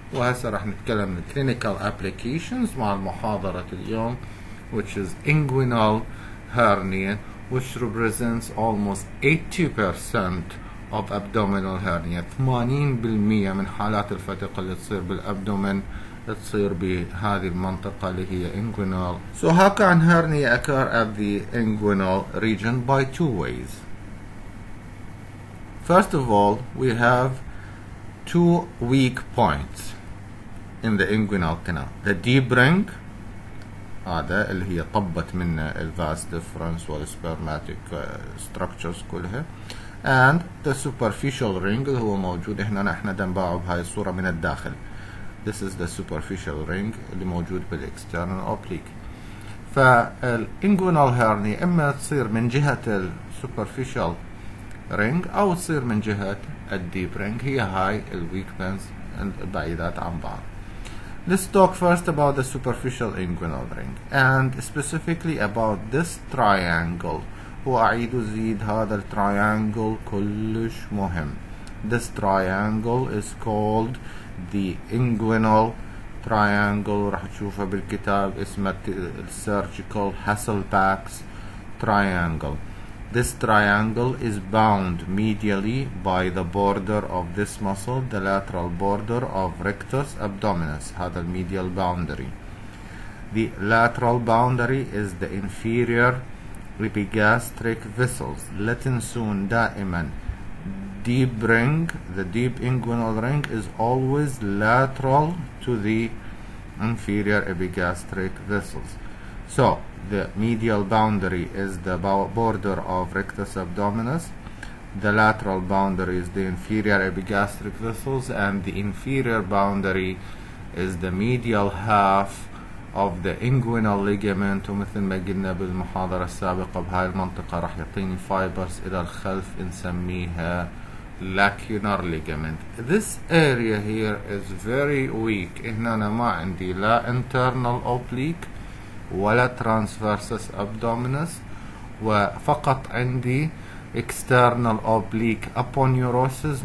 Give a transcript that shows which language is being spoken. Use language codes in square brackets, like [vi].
[ar] وهسه راح نتكلم عن [en] clinical applications [ar] مع المحاضرة اليوم [en] which is inguinal hernia which represents almost 80% of abdominal hernia. [ar] 80% من حالات الفتق اللي تصير بالأبدومن تصير بهذه المنطقة اللي هي inguinal. [en] So how can hernia occur at the inguinal region by two ways. First of all, we have two weak points in the inguinal canal. The deep ring, [ar] هذا اللي هي طبت من الفاس ديفرنس والسبرماتيك ستركتشرز كلها, [en] and the superficial ring [ar] اللي هو موجود هنا احنا دنباعه بهاي الصورة من الداخل. [en] This is the superficial ring [ar] اللي موجود بالإكسترنال أوبليك. فالإنجوينال هيرني إما تصير من جهة السوبرفيشال رينج أو تصير من جهة الديب رينج, هي هاي الويك بنز البعيدات عن بعض. [en] Let's talk first about the superficial inguinal ring and specifically about this triangle. [ar] وأعيد وزيد هذا التريانجل كلش مهم. [en] This triangle is called the inguinal triangle. [ar] راح تشوفها بالكتاب اسمه surgical Hasselbach's triangle. [en] This triangle is bound medially by the border of this muscle, the lateral border of rectus abdominis, هذا the medial boundary. The lateral boundary is the inferior epigastric vessels. [ar] لتنسون دائما [en] deep ring, the deep inguinal ring is always lateral to the inferior epigastric vessels. So the medial boundary is the border of rectus abdominis, the lateral boundary is the inferior epigastric vessels, and the inferior boundary is the medial half of the inguinal ligament. [ar] ومثل ما قلنا بالمحاضرة السابقة بهاي المنطقة راح يعطيني fibers إلى الخلف نسميها lacunar ligament. [en] This area here is very weak. [ar] هنا أنا ما عندي لا [en] internal oblique [ar] ولا [en] transversus abdominis, [ar] وفقط عندي [en] external oblique aponeurosis.